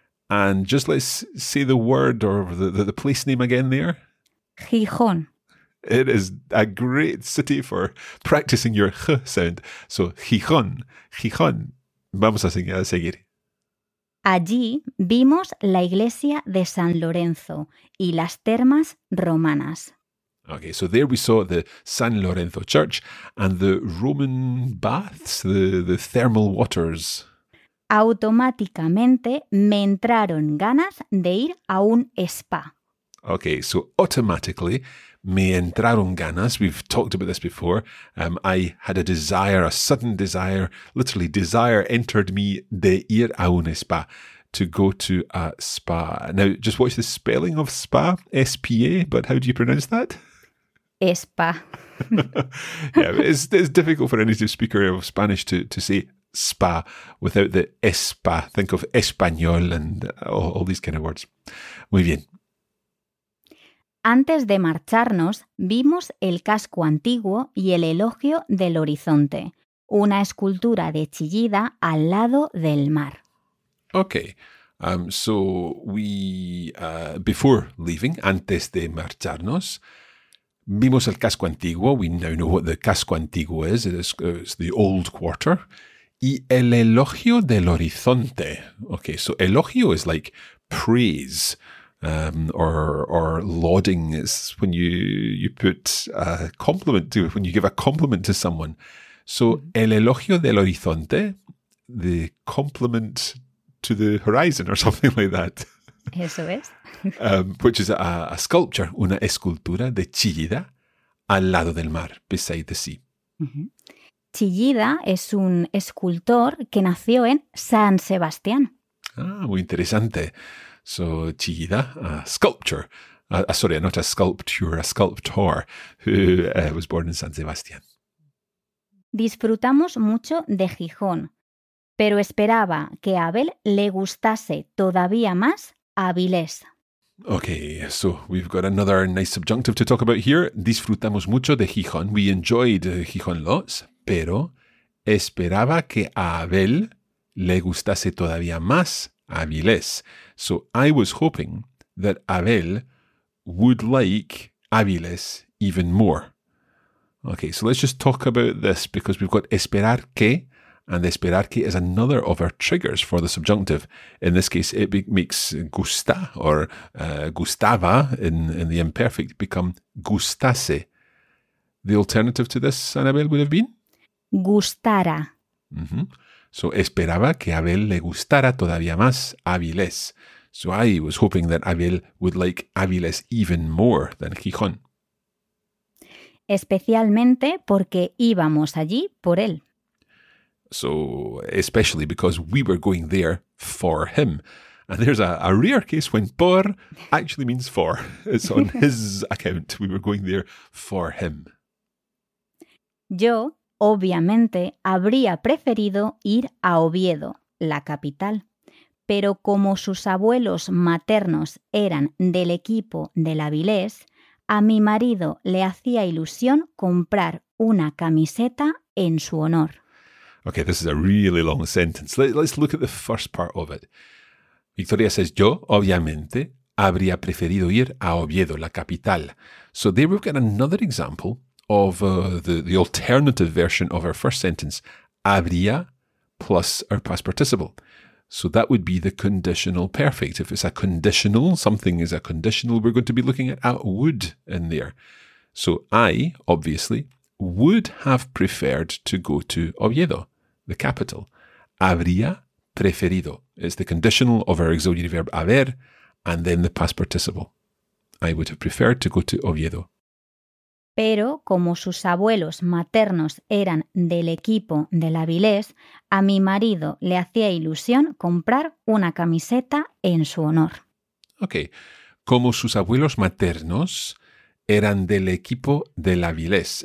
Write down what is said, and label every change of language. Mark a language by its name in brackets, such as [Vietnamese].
[English] And just let's say the word or the place name again there. [Spanish] Gijón. [English] It is a great city for practicing your ch sound. [Spanish] So Gijón, Gijón. Vamos a seguir. Allí vimos la iglesia de San Lorenzo y las termas romanas. [English] Okay, so there we saw the San Lorenzo Church and the Roman baths, the thermal waters. [Spanish] Automáticamente me entraron ganas de ir a un spa. [English] Okay, so automatically [Spanish] me entraron ganas. [English] We've talked about this before. I had a desire, a sudden desire, literally desire entered me [Spanish] de ir a un spa, [English] to go to a spa. Now, just watch the spelling of spa, S-P-A, but how do you pronounce that? Spa. Yeah, it's difficult for any native speaker of Spanish to say spa without the espa. Think of español and all these kind of words. [Spanish] Muy bien. Antes de marcharnos, vimos el casco antiguo y el elogio del horizonte, una escultura de Chillida al lado del mar. [English] Okay, so we, before leaving, [Spanish] antes de marcharnos, vimos el casco antiguo. [English] We now know what the casco antiguo is. It's the old quarter. [Spanish] Y el elogio del horizonte. [English] Okay, so elogio is like praise or lauding. It's when you put a compliment to it, when you give a compliment to someone. So [Spanish] el elogio del horizonte, [English] the compliment to the horizon or something like that. [Spanish] Eso es. [English] Which is a sculpture, [Spanish] una escultura de Chillida al lado del mar, [English] beside the sea. Mm-hmm. [Spanish] Chillida es un escultor que nació en San Sebastián. Ah, muy interesante. [English] So, Chillida, a sculptor, sorry, not a sculpture, a sculptor, who was born in San Sebastián. [Spanish] Disfrutamos mucho de Gijón, pero esperaba que a Abel le gustase todavía más Avilés. Okay, so we've got another nice subjunctive to talk about here. Disfrutamos mucho de Gijón. [English] We enjoyed Gijón lots. [Spanish] Pero esperaba que a Abel le gustase todavía más Avilés. [English] So I was hoping that Abel would like Avilés even more. Okay, so let's just talk about this because we've got esperar que, and esperar que is another of our triggers for the subjunctive. In this case, it makes gusta or gustaba in the imperfect become gustase. The alternative to this, Anabel, would have been? [Spanish] Gustara. Mm-hmm. So, esperaba que Abel le gustara todavía más Avilés. [English] So, I was hoping that Abel would like Avilés even more than Gijón. [Spanish] Especialmente porque íbamos allí por él. [English] So, especially because we were going there for him. And there's a rare case when por actually means for. It's on his account. We were going there for him. [Spanish] Yo... Obviamente, habría preferido ir a Oviedo, la capital. Pero como sus abuelos maternos eran del equipo del Avilés, a mi marido le hacía ilusión comprar una camiseta en su honor. [English] Okay, this is a really long sentence. Let's look at the first part of it. Victoria says, [Spanish] yo, obviamente, habría preferido ir a Oviedo, la capital. [English] So there we've got another example of the alternative version of our first sentence, habría plus our past participle. So that would be the conditional perfect. If it's a conditional, something is a conditional, we're going to be looking at would in there. So I, obviously, would have preferred to go to Oviedo, the capital. [Spanish] Habría preferido. [English] It's the conditional of our auxiliary verb haber, and then the past participle. I would have preferred to go to Oviedo. [Spanish] Pero como sus abuelos maternos eran del equipo del Avilés, a mi marido le hacía ilusión comprar una camiseta en su honor. [English] Okay. [Spanish] Como sus abuelos maternos eran del equipo del Avilés.